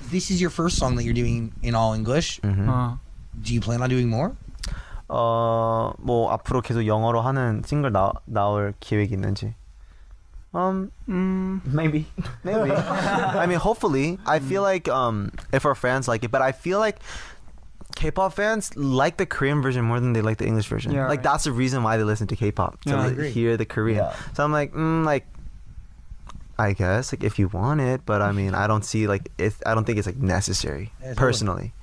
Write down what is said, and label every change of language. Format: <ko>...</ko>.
<en>This is your first song that you're doing in all English. Do you plan on doing more?</en> <ko>뭐 앞으로 계속 영어로 하는 싱글 나올 계획 있는지?</ko> <en>Maybe. I mean, hopefully. I feel like if our fans like it, but I feel like K-pop fans like the Korean version more than they like the English version. Yeah, like right. That's the reason why they listen to K-pop. So yeah, like, hear the Korean. Yeah. So I'm like, like, I guess like if you want it, but I mean, I don't see like I don't think it's like necessary personally.</en>